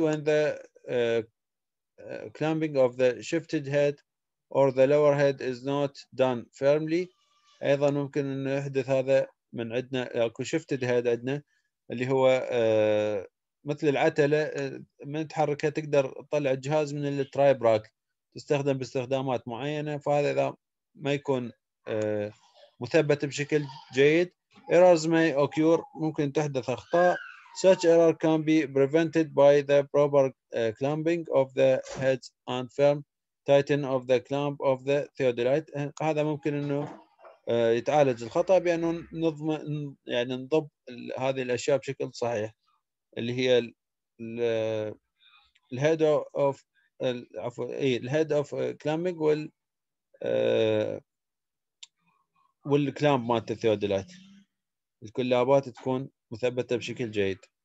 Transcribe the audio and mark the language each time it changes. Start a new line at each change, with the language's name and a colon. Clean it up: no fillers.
English: When the clamping of the shifted head or the lower head is not done firmly,
Arabic: أيضا ممكن أن يحدث هذا من عندنا أكو shifted head عندنا, اللي هو مثل العتلة, من تحركها تقدر تطلع الجهاز من الترايب راك, تستخدم باستخدامات معينة. فهذا إذا ما يكون مثبت بشكل جيد,
English: errors may occur,
Arabic: ممكن تحدث أخطاء.
English: Such error can be prevented by the proper clamping of the heads and firm tighten of the clamp of the theodolite.
Arabic: هذا ممكن انه يتعالج الخطأ بانه نضمن يعني نضب هذه الاشياء بشكل صحيح اللي هي الهيد اوف عفوا اي الهيد اوف كلامبنج وال والكلامب مالت الثيودلات الكلابات تكون مثبته بشكل جيد.